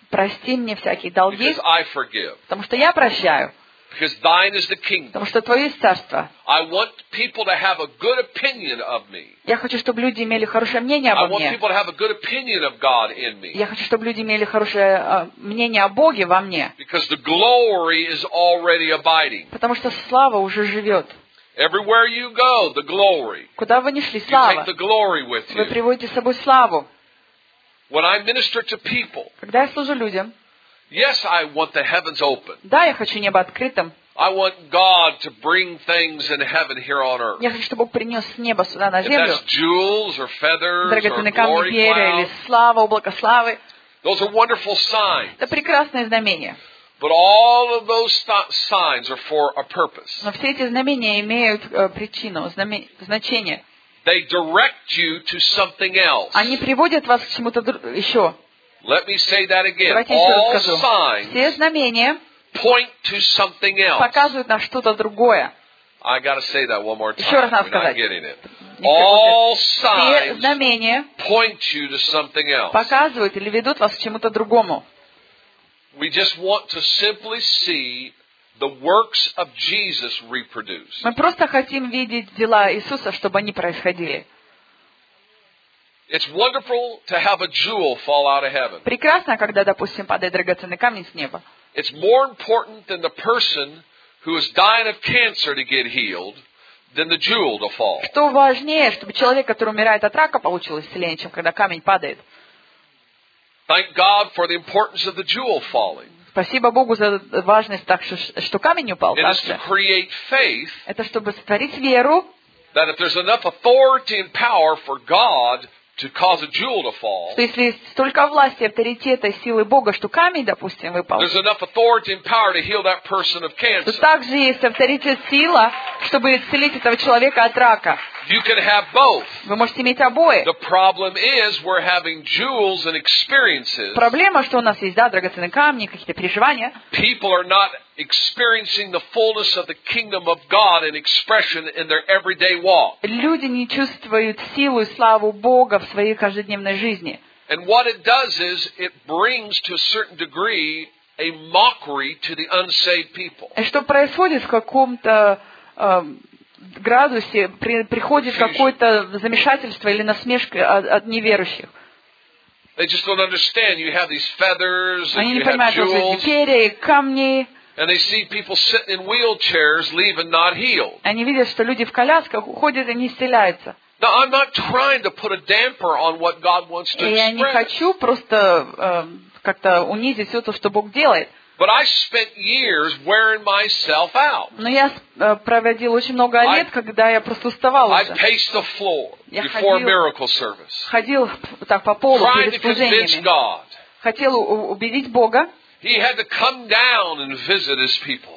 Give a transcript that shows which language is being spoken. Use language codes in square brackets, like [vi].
[ru] Прости мне всякие долги. [en] Because I forgive. [ru] Потому что я прощаю. [en] Because thine is the kingdom. [ru] Потому что твое есть царство. [en] I want people to have a good opinion of me. [ru] Я хочу, чтобы люди имели хорошее мнение обо мне. [en] I want people to have a good opinion of God in me. [ru] Я хочу, чтобы люди имели хорошее мнение о Боге во мне. [en] Because the glory is already abiding. [ru] Потому что слава уже живет. [en] Everywhere you go, the glory. [ru] Куда вы ни шли, слава. [en] You take the glory with you. [ru] Вы приводите с собой славу. [en] When I minister to people. [ru] Когда я служу людям. [en] Yes, I want the heavens open. [ru] Да, я хочу небо открытым. [en] I want God to bring things in heaven here on earth. [ru] Я хочу, чтобы Бог принес небо сюда на землю. [en] If that's jewels or feathers or glory cloud. [ru] Или слава, облако славы. [en] Those are wonderful signs. [ru] Это прекрасные знамения. [en] But all of those signs are for a purpose. [ru] Но все эти знамения имеют причину, значение. [en] They direct you to something else. [ru] Они приводят вас к чему-то еще. [en] Let me say that again. [ru] Все знамения [en] point to something else. [ru] Показывают на что-то другое. [en] I gotta say that one more time. [ru] Еще раз надо сказать. [en] Not getting it. All signs. [ru] Все знамения [en] point you to something else. [ru] Показывают или ведут вас к чему-то другому. [en] We just want to simply see the works of Jesus reproduced. [ru] Мы просто хотим видеть дела Иисуса, чтобы они происходили. [en] It's wonderful to have a jewel fall out of heaven. [ru] Прекрасно, когда, допустим, падает драгоценный камень с неба. [en] It's more important than the person who is dying of cancer to get healed than the jewel to fall. [ru] Что важнее, чтобы человек, который умирает от рака, получил исцеление, чем когда камень падает? [en] Thank God for the importance of the jewel falling. [ru] Спасибо Богу за важность так, что камень упал. [en] It is to create faith. [ru] Это чтобы сотворить веру. [en] That if there's enough authority and power for God to cause a jewel to fall. [ru] Что если есть столько власти, авторитета, силы Бога, что камень, допустим, выпал. [en] There's enough authority and power to heal that person of cancer. [ru] Также есть авторитет, сила, чтобы исцелить этого человека от рака. [en] You can have both. [ru] Вы можете иметь обои. [en] The problem is we're having jewels and experiences. [ru] Проблема, что у нас есть, да, драгоценные камни, какие-то переживания. [en] People are not experiencing the fullness of the kingdom of God in expression in their everyday walk. [ru] Люди не чувствуют силу и славу Бога в своей каждодневной жизни. [en] And what it does is it brings to a certain degree a mockery to the unsaved people. [ru] И что происходит в каком-то градусе приходит какое-то замешательство или насмешка от неверующих. [en] They just don't understand. You have these feathers, [ru] они не понимают, что эти перья, камни. [en] And they see people sitting in wheelchairs, leaving not healed. [ru] Они видят, что люди в колясках уходят и не исцеляются. [en] Now I'm not trying to put a damper on what God wants to express. [ru] Я не хочу просто как-то унизить все то, что Бог делает. [en] But I spent years wearing myself out. [ru] Но я проводил очень много лет, когда я просто уставал уже. [en] I paced the floor before miracle service. [ru] Ходил так по полу перед служениями. [en] Trying to convince God. [ru] Хотел убедить Бога. [en] He had to come down and visit his people.